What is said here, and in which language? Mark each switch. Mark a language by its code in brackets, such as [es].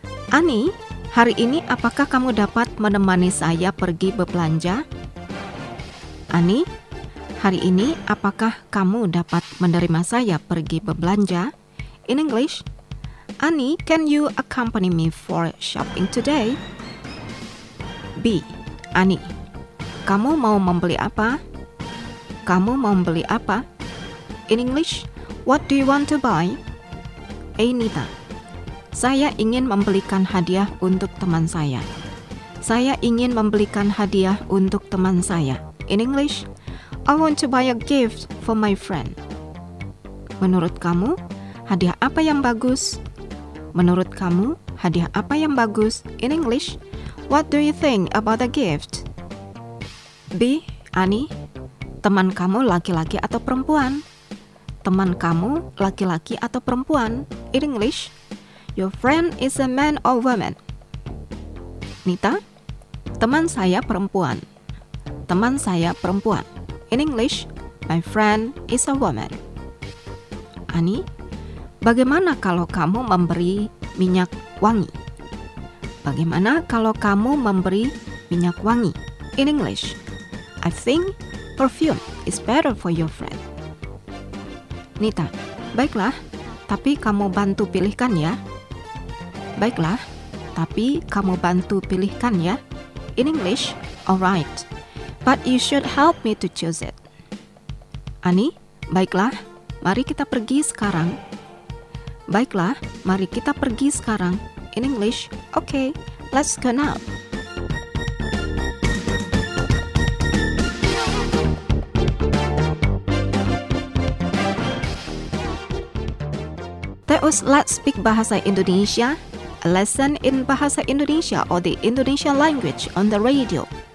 [id] Ani, hari ini apakah kamu dapat menemani saya pergi berbelanja? Ani, hari ini apakah kamu dapat menerima saya pergi berbelanja? [en] In English, Ani, can you accompany me for shopping today? B. [id] Ani, kamu mau membeli apa? Kamu mau membeli apa? [en] In English, what do you want to buy? A. [id] Nita, saya ingin membelikan hadiah untuk teman saya. Saya ingin membelikan hadiah untuk teman saya. [en] In English, I want to buy a gift for my friend. [id] Menurut kamu, hadiah apa yang bagus? Menurut kamu, hadiah apa yang bagus? [en] In English, what do you think about the gift? B. [id] Ani, teman kamu laki-laki atau perempuan? Teman kamu laki-laki atau perempuan? [en] In English, your friend is a man or woman. Nita, [id] teman saya perempuan. Teman saya perempuan. [en] In English, my friend is a woman. [id] Ani, bagaimana kalau kamu memberi minyak wangi? Bagaimana kalau kamu memberi minyak wangi? [en] In English, I think perfume is better for your friend. [id] Nita, baiklah, tapi kamu bantu pilihkan ya. Baiklah, tapi kamu bantu pilihkan ya. [en] In English, alright, but you should help me to choose it. [id] Ani, baiklah, mari kita pergi sekarang. Baiklah, mari kita pergi sekarang. [en] In English, okay, let's go now. That was Let's Speak Bahasa Indonesia, a lesson in Bahasa Indonesia or the Indonesian language on the radio.